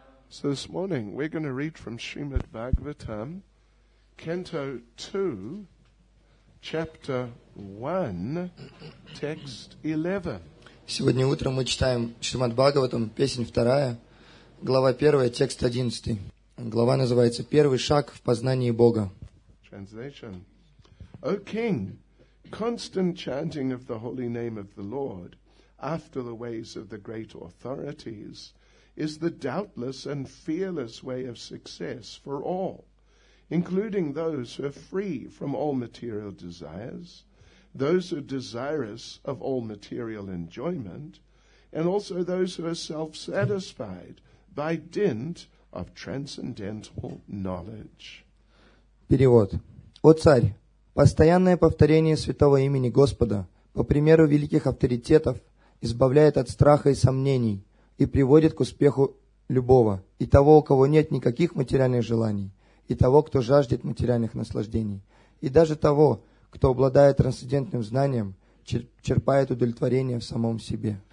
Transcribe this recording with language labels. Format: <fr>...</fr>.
<en>So this morning, we're going to read from Srimad Bhagavatam, Canto 2, Chapter 1, Text 11.</en> <ru>Сегодня утром мы читаем Шримад Бхагаватам, песнь 2, глава 1, текст 11. Глава называется «Первый шаг в познании Бога».</ru> <en>Translation. O King, constant chanting of the holy name of the Lord after the ways of the great authorities is the doubtless and fearless way of success for all, including those who are free from all material desires, those who are desirous of all material enjoyment, and also those who are self-satisfied by dint of transcendental knowledge.</en> <ru>Перевод. О царь, постоянное повторение святого имени Господа по примеру великих авторитетов избавляет от страха и сомнений и приводит к успеху любого, и того, у кого нет никаких материальных желаний, и того, кто жаждет материальных наслаждений, и даже того, кто, обладая трансцендентным знанием, черпает удовлетворение в самом себе.</ru>